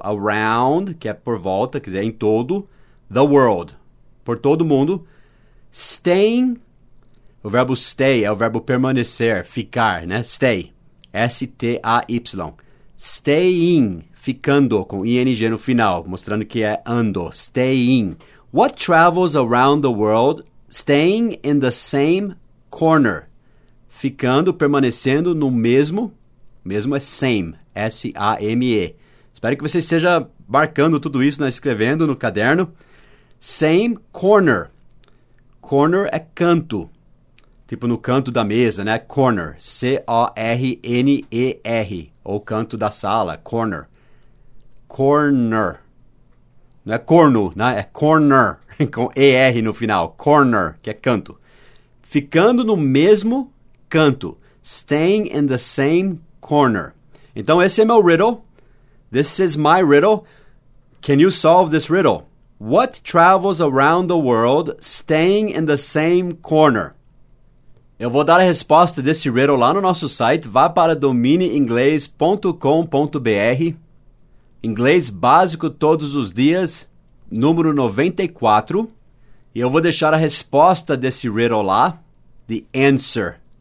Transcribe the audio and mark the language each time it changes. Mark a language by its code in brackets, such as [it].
[pt] Around, que é por volta, quer dizer, em todo. [en] The world, [pt] por todo o mundo. Staying, o verbo stay é o verbo permanecer, ficar, né? Stay, S-T-A-Y. Staying, ficando, com ing no final, mostrando que é ando. [en] Staying. What travels around the world, staying in the same corner? [pt] Ficando, permanecendo no mesmo, mesmo é same, S-A-M-E. Espero que você esteja marcando tudo isso, né, escrevendo no caderno. Same corner. Corner é canto, tipo no canto da mesa, né? Corner, C-O-R-N-E-R, ou canto da sala, corner. Corner. Não é corno, né? É corner, com E-R no final, corner, que é canto. Ficando no mesmo canto. [en] Staying in the same corner. [pt] Então, esse é meu riddle. [en] This is my riddle. Can you solve this riddle? What travels around the world staying in the same corner? [pt] Eu vou dar a resposta desse riddle lá no nosso site. Vá para dominieingles.com.br. Inglês básico todos os dias, número 94. E eu vou deixar a resposta desse riddle lá. [en] The answer.